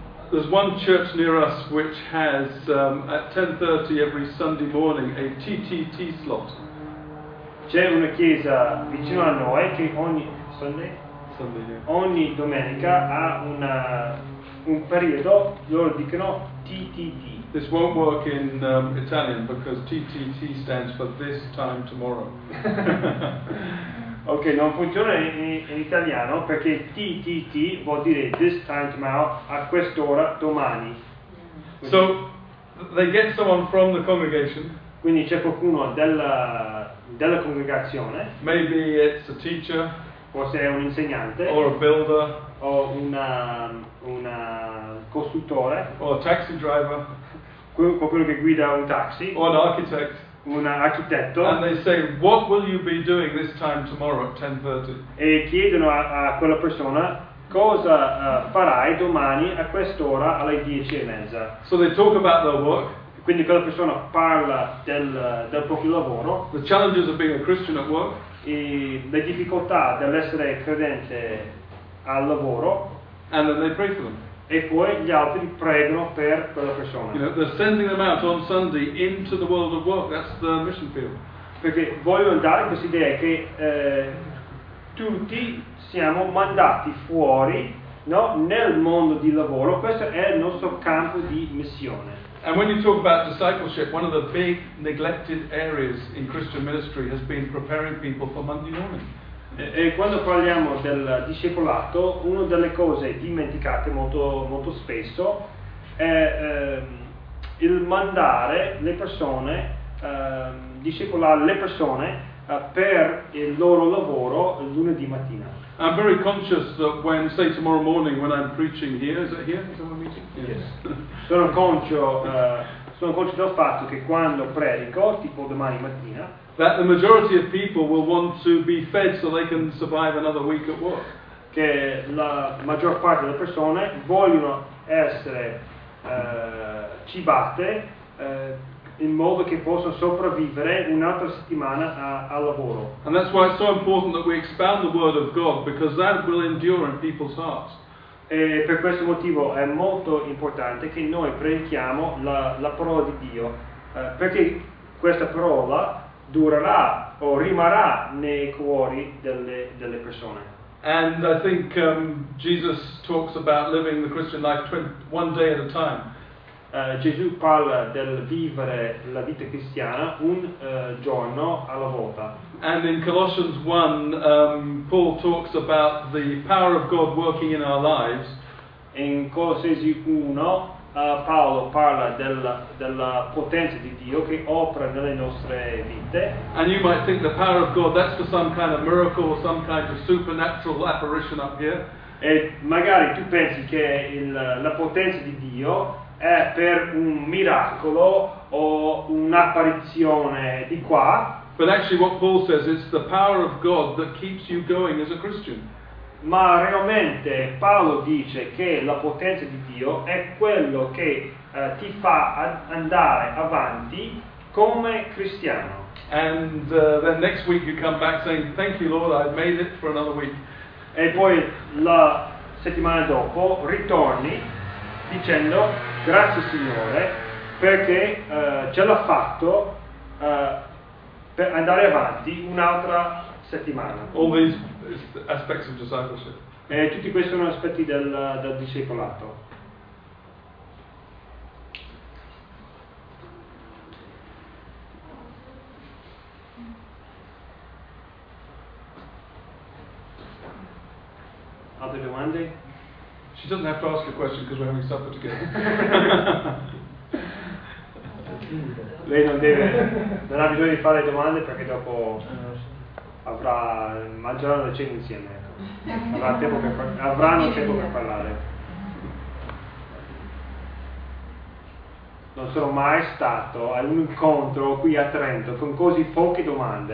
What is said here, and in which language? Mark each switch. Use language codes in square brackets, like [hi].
[en] There's one church near us which has at 10:30 every Sunday morning a TTT slot. [it] C'è una chiesa vicino a noi che ogni ogni domenica ha un periodo, loro dicono TTT. [en] This won't work in Italian because TTT stands for this time tomorrow. [it] Ok, non funziona in italiano perché TTT vuol dire [en] this time tomorrow, [it] a quest'ora domani. [en] So they get someone from the congregation. [it] Quindi c'è qualcuno della congregazione. [en] Maybe it's a teacher. [it] Forse è un insegnante. [en] Or a builder. [it] O un costruttore. [en] Or a taxi driver. [it] Qualcuno che guida un taxi. [en] Or an architect. [it] Un architetto. [en] And they say, what will you be doing this time tomorrow at 10:30? [it] E chiedono a quella persona cosa farai domani a quest'ora alle 10:30. [en] So they talk about their work. [it] Quindi quella persona parla del proprio lavoro. [en] The challenges of being a Christian at work. [it] E le difficoltà dell'essere credente al lavoro. [en] And then they pray for them. [it] E poi gli altri pregano per quella persona. [en] You know, they're sending them out on Sunday into the world of work. That's the mission field. [it] Perché voglio dare questa idea che tutti siamo mandati fuori, no? Nel mondo di lavoro. Questo è il nostro campo di missione. [en] And when you talk about discipleship, one of the big neglected areas in Christian ministry has been preparing people for Monday morning. [it] E quando parliamo del discepolato, una delle cose dimenticate molto, molto spesso è il mandare le persone, discepolare le persone per il loro lavoro il lunedì mattina. [en] I'm very conscious that when, say, tomorrow morning when I'm preaching here, is it here? Is someone meeting? Yes. [it] sono conscio del fatto che quando predico, tipo domani mattina, [en] that the majority of people will want to be fed so they can survive another week at work. [it] Che la maggior parte delle persone vogliono essere cibate in modo che possano sopravvivere un'altra settimana al lavoro. [en] And that's why it's so important that we expound the word of God, because that will endure in people's hearts. [it] E per questo motivo è molto importante che noi predichiamo la parola di Dio, perché questa parola durerà o rimarrà nei cuori delle persone. [en] And I think Jesus talks about living the Christian life one day at a time. [it] Gesù parla del vivere la vita cristiana un giorno alla volta. [en] And in Colossians 1 Paul talks about the power of God working in our lives. [it] In Colossesi 1 Paolo parla della potenza di Dio che opera nelle nostre vite. [en] And you might think the power of God, that's for some kind of miracle or some kind of supernatural apparition up here. [it] E magari tu pensi che la potenza di Dio è per un miracolo o un'apparizione di qua. [en] But actually what Paul says is the power of God that keeps you going as a Christian. [it] Ma realmente Paolo dice che la potenza di Dio è quello che ti fa andare avanti come cristiano. [en] And then next week you come back saying, thank you Lord, I've made it for another week. [it] E poi la settimana dopo ritorni dicendo, grazie Signore, perché ce l'ha fatto per andare avanti un'altra settimana. [en] All these aspects of discipleship. [it] E tutti questi sono aspetti del discepolato. Altre domande? [en] She doesn't have to ask a question because we're having supper together. [it] Lei non ha bisogno di fare domande perché dopo avrà mangiato la cena insieme. Avranno tempo per parlare. Non sono mai stato a un incontro qui a Trento con così poche domande.